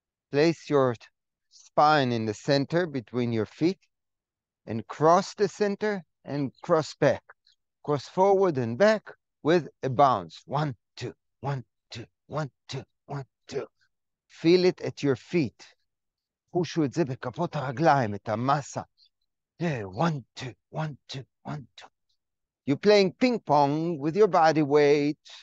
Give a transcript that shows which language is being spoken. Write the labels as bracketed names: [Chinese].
[English] Place your spine in the center between your feet and cross the center and cross back. Cross forward and back with a bounce. One, two, one, two, one, two, one, two. Feel it at your feet. [Hebrew] Push את זה בכפות הרגליים, את המסה. [English] Yeah, one, two, one, two, one, two. You're playing ping pong with your body weight.